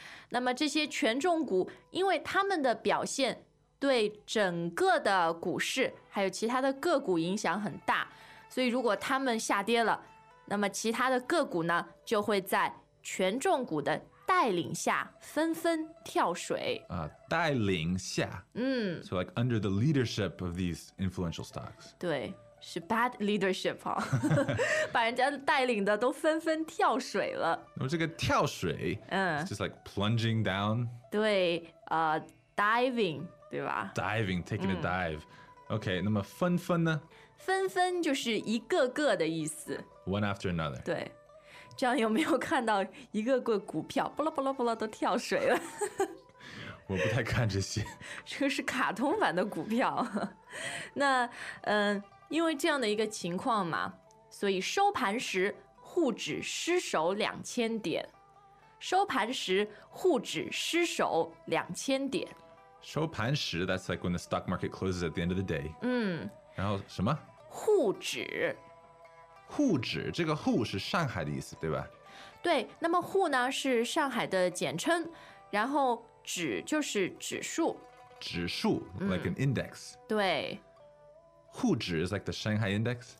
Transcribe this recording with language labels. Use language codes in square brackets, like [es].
[zh] 那么这些权重股因为他们的表现对整个的股市还有其他的个股影响很大，所以如果他们下跌了，那么其他的个股呢就会在权重股的带领下纷纷跳水。带领下。 [en] So like under the leadership of these influential stocks。 [zh] 对，是 [en] bad leadership [zh] 哦，把人家带领的都纷纷跳水了。那么这个跳水， [en] it's just like plunging down。 [zh] 对，diving， 对吧 [en] ？Diving， taking a dive。OK， [zh] 那么纷纷呢？纷纷就是一个个的意思。 [en] One after another. [zh] 对，这样有没有看到一个个股票，不啦不啦不啦都跳水了？我不太看这些。这个是卡通版的股票。那因为这样的一个情况嘛，所以收盘时沪指失守2000点。收盘时沪指失守2000点。 [en] 收盘时 ，that's like when the stock market closes at the end of the day。 [zh] 嗯。然后什么？沪指。沪指，这个沪是上海的意思，对吧？对，那么沪呢是上海的简称，然后指就是指数。 [en] 指数 ，like an index。 [zh] 对。 [en] 沪指 is like the Shanghai index。